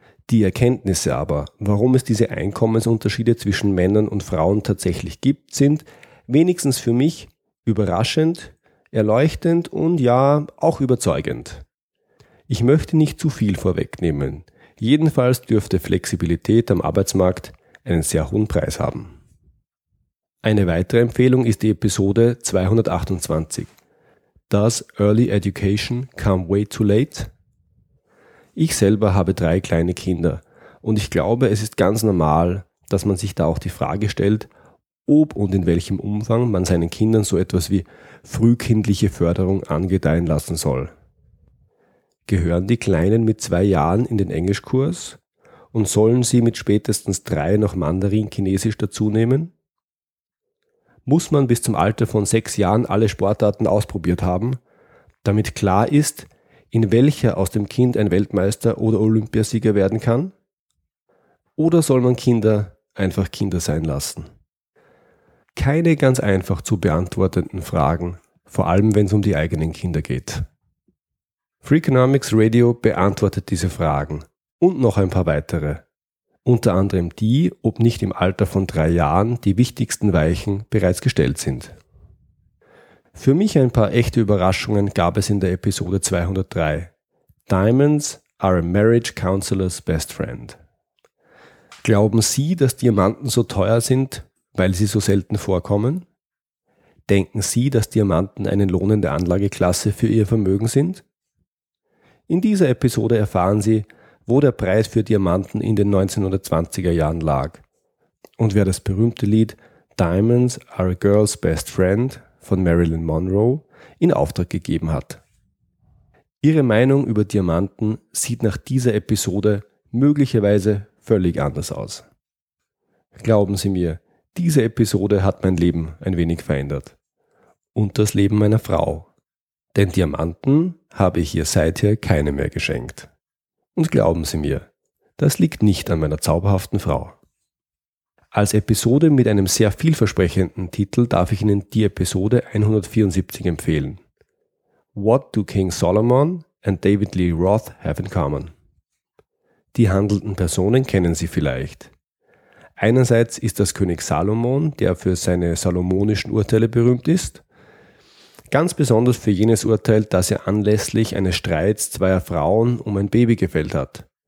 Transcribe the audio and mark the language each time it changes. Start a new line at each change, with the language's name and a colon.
German: Die Erkenntnisse aber, warum es diese Einkommensunterschiede zwischen Männern und Frauen tatsächlich gibt, sind, wenigstens für mich, überraschend, erleuchtend und ja, auch überzeugend. Ich möchte nicht zu viel vorwegnehmen. Jedenfalls dürfte Flexibilität am Arbeitsmarkt einen sehr hohen Preis haben. Eine weitere Empfehlung ist die Episode 228.
English: Does Early Education Come Way Too Late?
German: Ich selber habe 3 kleine Kinder und ich glaube, es ist ganz normal, dass man sich da auch die Frage stellt, ob und in welchem Umfang man seinen Kindern so etwas wie frühkindliche Förderung angedeihen lassen soll. Gehören die Kleinen mit 2 Jahren in den Englischkurs und sollen sie mit spätestens 3 noch Mandarin-Chinesisch dazunehmen? Muss man bis zum Alter von 6 Jahren alle Sportarten ausprobiert haben, damit klar ist, in welcher aus dem Kind ein Weltmeister oder Olympiasieger werden kann? Oder soll man Kinder einfach Kinder sein lassen? Keine ganz einfach zu beantwortenden Fragen, vor allem wenn es um die eigenen Kinder geht. Freakonomics Radio beantwortet diese Fragen und noch ein paar weitere. Unter anderem die, ob nicht im Alter von 3 Jahren die wichtigsten Weichen bereits gestellt sind. Für mich ein paar echte Überraschungen gab es in der Episode 203.
English: Diamonds are a marriage counselor's best friend.
German: Glauben Sie, dass Diamanten so teuer sind, weil sie so selten vorkommen? Denken Sie, dass Diamanten eine lohnende Anlageklasse für Ihr Vermögen sind? In dieser Episode erfahren Sie, wo der Preis für Diamanten in den 1920er Jahren lag und wer das berühmte Lied
English: Diamonds are a girl's best friend
German: von Marilyn Monroe in Auftrag gegeben hat. Ihre Meinung über Diamanten sieht nach dieser Episode möglicherweise völlig anders aus. Glauben Sie mir, diese Episode hat mein Leben ein wenig verändert. Und das Leben meiner Frau. Denn Diamanten habe ich ihr seither keine mehr geschenkt. Und glauben Sie mir, das liegt nicht an meiner zauberhaften Frau. Als Episode mit einem sehr vielversprechenden Titel darf ich Ihnen die Episode 174 empfehlen.
English: What do King Solomon and David Lee Roth have in common?
German: Die handelnden Personen kennen Sie vielleicht. Einerseits ist das König Salomon, der für seine salomonischen Urteile berühmt ist. Ganz besonders für jenes Urteil, das er anlässlich eines Streits zweier Frauen um ein Baby gefällt hat.